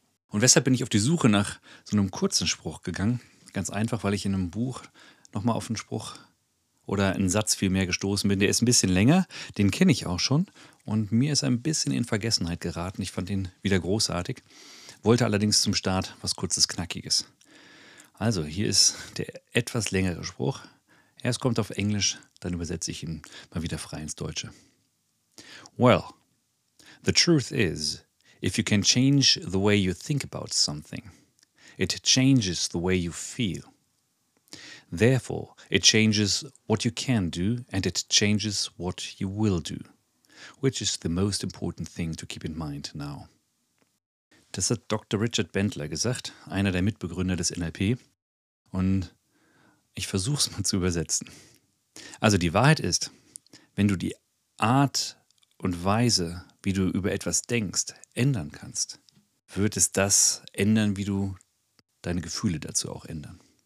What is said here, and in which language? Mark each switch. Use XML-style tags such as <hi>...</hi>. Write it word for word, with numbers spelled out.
<de>Und weshalb bin ich auf die Suche nach so einem kurzen Spruch gegangen? Ganz einfach, weil ich in einem Buch nochmal auf einen Spruch oder einen Satz vielmehr gestoßen bin. Der ist ein bisschen länger, den kenne ich auch schon. Und mir ist ein bisschen in Vergessenheit geraten. Ich fand ihn wieder großartig. Wollte allerdings zum Start was Kurzes, Knackiges. Also hier ist der etwas längere Spruch. Erst kommt auf Englisch, dann übersetze ich ihn mal wieder frei ins Deutsche.</de> <en>Well, the truth is, if you can change the way you think about something, it changes the way you feel. Therefore, it changes what you can do and it changes what you will do, which is the most important thing to keep in mind now.</en> <de>Das hat Doktor Richard Bandler gesagt, einer der Mitbegründer des N L P. Und ich versuche es mal zu übersetzen. Also die Wahrheit ist, wenn du die Art und Weise, wie du über etwas denkst, ändern kannst, wird es das ändern, wie du deine Gefühle dazu auch ändern.</de>